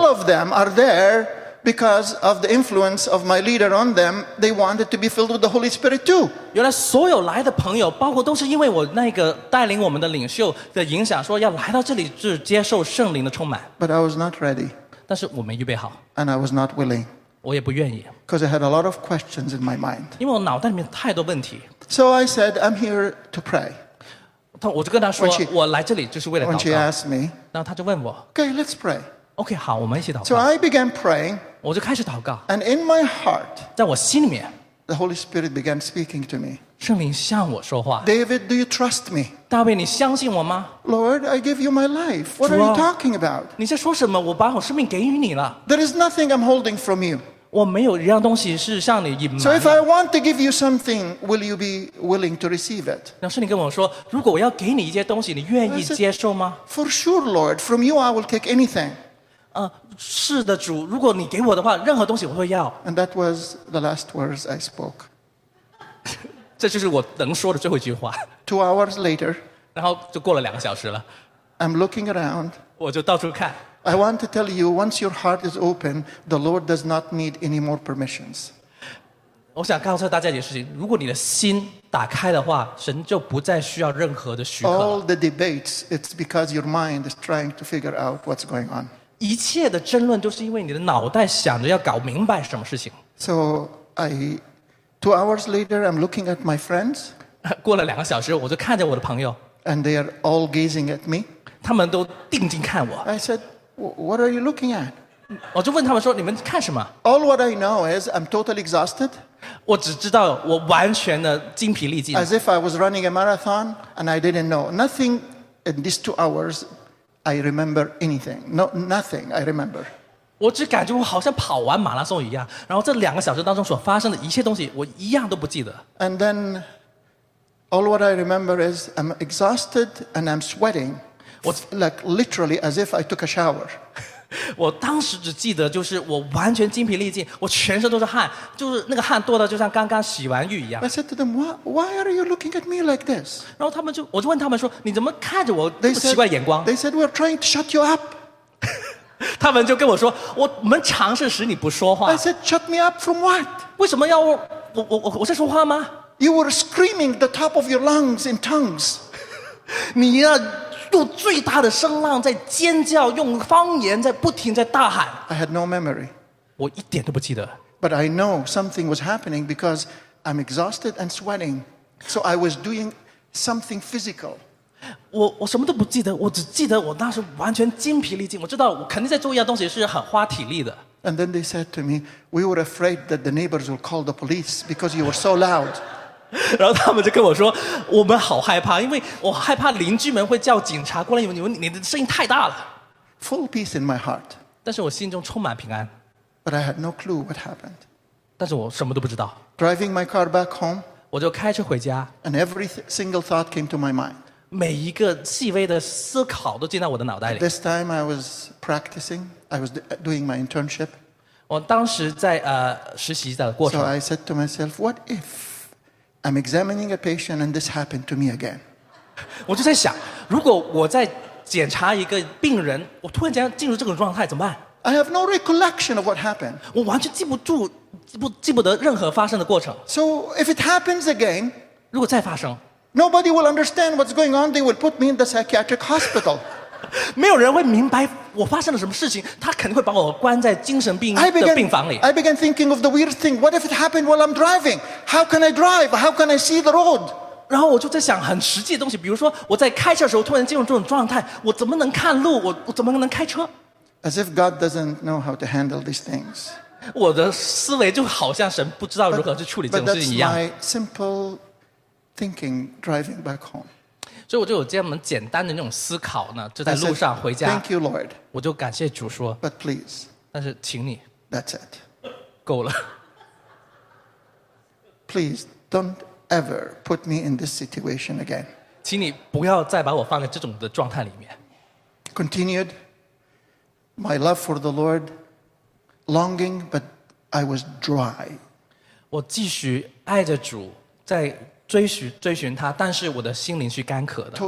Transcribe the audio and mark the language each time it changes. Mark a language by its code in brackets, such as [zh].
[en] all of them are there because of the influence of my leader on them. They wanted to be filled with the Holy Spirit too. [zh] 原来所有来的朋友, 包括都是因为我那个带领我们的领袖的影响, 说要来到这里是接受圣灵的充满。 [en] But I was not ready. [zh] 但是我没预备好。 [en] And I was not willing. [zh] 我也不愿意, [en] because I had a lot of questions in my mind. [zh] 因为我脑袋里面太多问题。 [en] So I said, I'm here to pray. [zh] 我就跟他说, [en] when she, [zh] 我来这里就是为了祷告。 [en] When she asked me, [zh] 然后他就问我, [en] okay, let's pray. [zh] Okay, 好, 我们一起祷告。 [en] So I began praying. [zh] 我就开始祷告。 [en] And in my heart, [zh] 在我心里面, [en] the Holy Spirit began speaking to me. [zh] 圣灵向我说话。 [en] David, do you trust me? [zh] 大卫,你相信我吗? [en] Lord, I give you my life. What [zh] 主啊, [en] are you talking about? [zh] 你在说什么?我把我生命给予你了。 [en] There is nothing I'm holding from you. [zh] 我没有一样东西是向你隐瞒的。 [en] So if I want to give you something, will you be willing to receive it? [zh] 圣灵跟我说, 如果我要给你一些东西, 你愿意接受吗? [en] For sure, Lord, from you I will take anything. [zh] 是的, 主, 如果你给我的话, 任何东西我会要。 [en] And that was the last words I spoke. [zh] 这就是我能说的最后一句话。 [en] 2 hours later, [zh] 然后就过了2个小时了。 [en] I'm looking around. [zh] 我就到处看。 [en] I want to tell you, once your heart is open, the Lord does not need any more permissions. [zh] 我想告诉大家一件事情, 如果你的心打开的话, 神就不再需要任何的许可了。 [en] All the debates, it's because your mind is trying to figure out what's going on. [zh] 一切的争论都是因为你的脑袋想着要搞明白什么事情。 [en] So I 2 hours later, I'm looking at my friends. [zh] 过了2个小时, 我就看着我的朋友, [en] and they are all gazing at me. [zh] 他们都定睛看我, [en] I said, what are you looking at? [zh] 我就问他们说, 你们看什么? [en] All what I know is I'm totally exhausted. [zh] 我只知道我完全的精疲力尽, [en] as if I was running a marathon and I didn't know. Nothing in these 2 hours I remember anything. No, nothing I remember. [zh] 我只感觉我好像跑完马拉松一样, 然后这2个小时当中所发生的一切东西, 我一样都不记得。 [en] And then all what I remember is I'm exhausted and I'm sweating, like literally as if I took a shower. [zh] 我当时只记得就是我完全精疲力尽, 我全身都是汗, 就是那个汗多的就像刚刚洗完浴一样。 [en] I said to them, why are you looking at me like this? [zh] 然后他们就, 我就问他们说, 你怎么看着我这么奇怪的眼光? [en] They said, we're trying to shut you up. [zh] 他们就跟我说, 我们尝试使你不说话。 [en] I said, shut me up from what? [zh] 为什么要, 我在说话吗? [en] You were screaming the top of your lungs in tongues. [zh] 你用最大的声浪在尖叫, 用方言在不停在大喊。 [en] I had no memory. [zh] 我一点都不记得。 [en] But I know something was happening because I'm exhausted and sweating. So I was doing something physical. [zh] 我什么都不记得, 我只记得我当时完全精疲力尽, 我知道我肯定在做一样东西是很花体力的。 [en] And then they said to me, we were afraid that the neighbors would call the police because you were so loud. [zh] 然后他们就跟我说, 我们好害怕, 因为我害怕邻居们会叫警察过来, 因为你的声音太大了。 [en] Full peace in my heart. [zh] 但是我心中充满平安。 [en] But I had no clue what happened. [zh] 但是我什么都不知道。 [en] Driving my car back home, [zh] 我就开车回家。 [en] And every single thought came to my mind. [zh] 每一个细微的思考都进到我的脑袋里。 [en] This time I was practicing. I was doing my internship. [zh] 我当时在, 实习的过程。 [en] So I said to myself, what if I'm examining a patient and this happened to me again? [zh] 我就在想, 如果我在检查一个病人, 我突然间进入这种状态怎么办? [en] I have no recollection of what happened. [zh] 我完全记不住, 记不得任何发生的过程。 [en] So if it happens again, [zh] 如果再发生, [en] nobody will understand what's going on. They will put me in the psychiatric hospital. [zh] 没有人会明白我发生了什么事情, 他肯定会把我关在精神病的病房里。 [en] I began thinking of the weird thing. What if it happened while I'm driving? How can I drive? How can I see the road? [zh] 然后我就在想很实际的东西, 比如说我在开车的时候, 突然进入这种状态, 我怎么能看路? 我怎么能开车? [en] As if God doesn't know how to handle these things. [zh] 我的思维就好像神不知道如何去处理这种事情一样。 [en] But that's my simple thinking driving back home. [zh] 所以我就有这么简单的那种思考呢, 就在路上回家, [en] thank you, Lord. [zh] 我就感谢主说, [en] but please, [zh] 但是请你, [en] that's it. [zh] 够了。 [en] Please, don't ever put me in this situation again. [zh] 请你不要再把我放在这种的状态里面。 [en] Continued my love for the Lord, longing, but I was dry. [zh] 我继续爱着主, 追寻他, 但是我的心灵是干渴的,